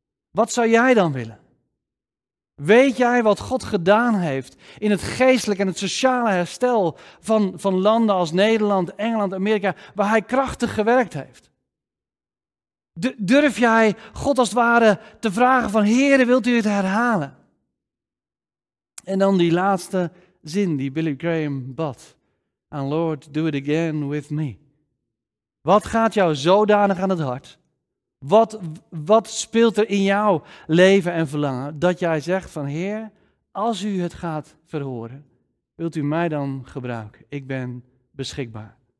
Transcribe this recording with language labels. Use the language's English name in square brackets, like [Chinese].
[Dutch] Wat zou jij dan willen? Weet jij wat God gedaan heeft in het geestelijke en het sociale herstel van landen als Nederland, Engeland, Amerika, waar Hij krachtig gewerkt heeft? Durf jij God als het ware te vragen van, Heere, wilt u het herhalen? En dan die laatste zin die Billy Graham bad. [English] And Lord, do it again with me. [Dutch] Wat gaat jou zodanig aan het hart? Wat speelt er in jouw leven en verlangen dat jij zegt van, Heer, als u het gaat verhoren, wilt u mij dan gebruiken? Ik ben beschikbaar.